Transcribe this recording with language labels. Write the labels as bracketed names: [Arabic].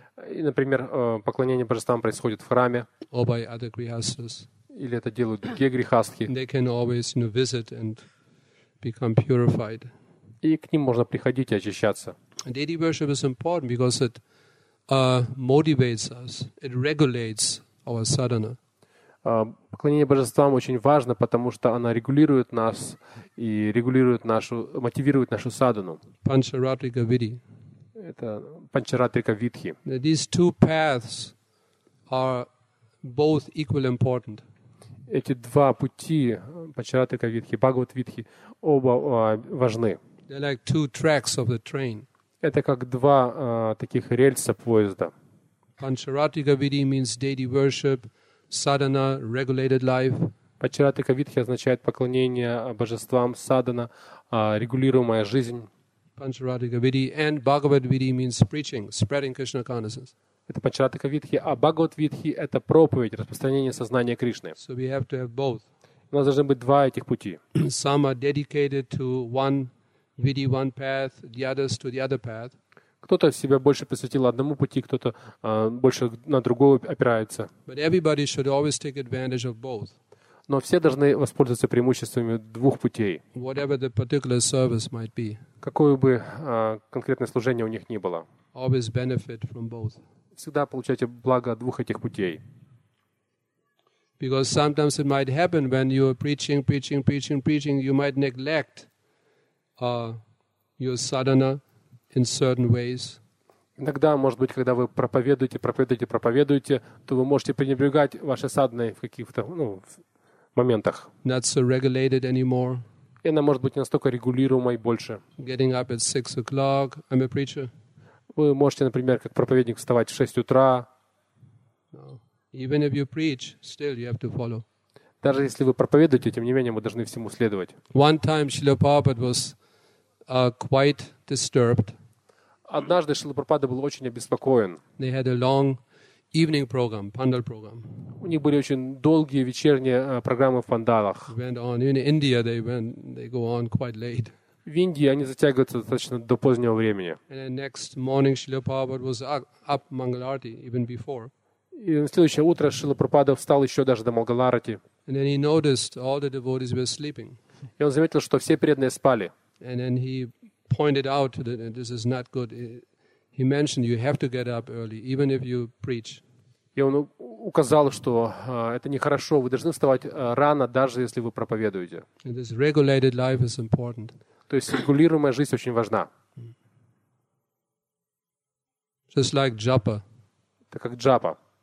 [Russian] И, например, поклонение божествам происходит в храме. [English] Or by other grihasthas. [Russian] Или это делают другие грихастхи. [English] They can always, you know, visit and become purified. [Russian] И к ним можно приходить и очищаться. [English] Deity worship is important because it motivates us. It regulates our sadhana. [Russian] Поклонение божествам очень важно, потому что оно регулирует нас и регулирует нашу, мотивирует нашу садхану. Панчаратрика Видхи. Это Панчаратрика Видхи. [English] These two paths are both equally important. [Russian] Эти два пути, Панчаратрика Видхи, Бхагават Видхи, оба важны. [English] They're like two tracks of the train. [Russian] Это как два таких рельса поезда. [English] Панчаратрика Видхи means deity worship. Sadhana, regulated life. [Russian] Панчаратрика Видхи означает поклонение божествам, садхана, регулируемая жизнь. [English] Панчаратрика Видхи and Бхагават Видхи means preaching, spreading Krishna consciousness. [Russian] Это Панчаратрика Видхи, а Бхагават Видхи – это проповедь, распространение сознания Кришны. [English] So we have to have both. [Russian] У нас должны быть два этих пути. [English] Some are dedicated to one Vidhi, one path, the others to the other path. [Russian] Кто-то себя больше посвятил одному пути, кто-то больше на другого опирается. [English] But everybody should always take advantage of both. [Russian] Но все должны воспользоваться преимуществами двух путей. [English] Whatever the particular service might be. [Russian] Какое бы конкретное служение у них ни было. [English] Always benefit from both. [Russian] Всегда получайте благо от двух этих путей. [English] Because sometimes it might happen when you are preaching, you might neglect your sadhana. In certain ways. [Russian] Иногда, может быть, когда вы проповедуете, проповедуете, проповедуете, то вы можете пренебрегать вашей садной в каких-то моментах. [English] Not so regulated anymore. [Russian] И она может быть не настолько регулируемой больше. [English] Getting up at 6 o'clock, I'm a preacher. [Russian] Вы можете, например, как проповедник вставать в 6 утра. [English] Even if you preach, still you have to follow. [Russian] Даже если вы проповедуете, тем не менее, мы должны всему следовать. [English] One time Srila Prabhupada was quite disturbed. [Russian] Однажды Шрила Прабхупада был очень обеспокоен. [English] They had a long evening program, pandal program. [Russian] У них были очень долгие вечерние программы в пандалах. [English] Went on. In India, they go on quite late. [Russian] В Индии они затягиваются достаточно до позднего времени. [English] And the next morning, Srila Prabhupada was up Mangal Arati even before. [Russian] И на следующее утро Шрила Прабхупада встал еще даже до Мангал Арати. [English] And then he noticed all the devotees were sleeping. [Russian] И он заметил, что все преданные спали. [English] And then he pointed out that this is not good. He mentioned you have to get up early, even if you preach. [Russian] И он указал, что это нехорошо. Вы должны вставать рано, даже если вы проповедуете. [English] And this regulated life is important. [Russian] То есть регулируемая жизнь очень важна. [English] Just like japa. [Russian] Это как джапа.